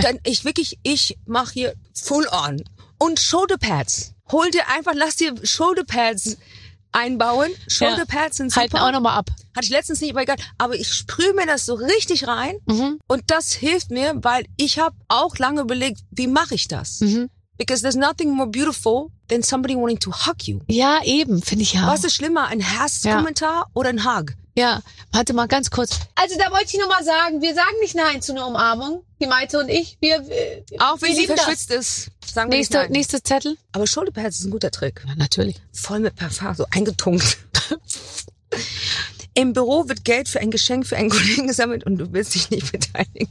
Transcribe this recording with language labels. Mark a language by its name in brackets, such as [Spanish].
[German] Dann ich mache hier full on. Und Shoulder Pads. Lass dir Shoulder Pads einbauen. Shoulder Pads sind super. Halten auch nochmal ab. Hatte ich letztens nicht überlegt. Aber ich sprühe mir das so richtig rein. Mhm. Und das hilft mir, weil ich habe auch lange überlegt, wie mache ich das? Mhm. [English] Because there's nothing more beautiful than somebody wanting to hug you. [German] Ja, eben. Finde ich ja. Was ist schlimmer? Ein Hass-Kommentar oder ein Hug? Ja, warte mal ganz kurz. Also da wollte ich nochmal sagen, wir sagen nicht nein zu einer Umarmung, die Maite und ich. Auch wenn sie verschwitzt ist, sagen wir nicht nein. Nächstes Zettel. Aber Schulterpads ist ein guter Trick. Ja, natürlich. Voll mit Parfum, so eingetunkt. Im Büro wird Geld für ein Geschenk für einen Kollegen gesammelt und du willst dich nicht beteiligen.